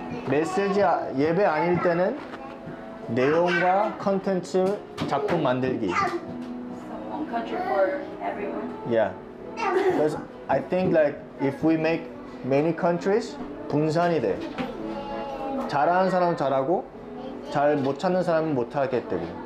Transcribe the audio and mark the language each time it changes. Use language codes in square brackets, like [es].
[ko] 메시지 예배 아닐 때는 내용과 컨텐츠 작품 만들기. [en] One country for everyone. Yeah. Because I think like if we make many countries, [ko] 분산이 돼. 잘하는 사람은 잘하고, 잘 못 찾는 사람은 못 하게 되고.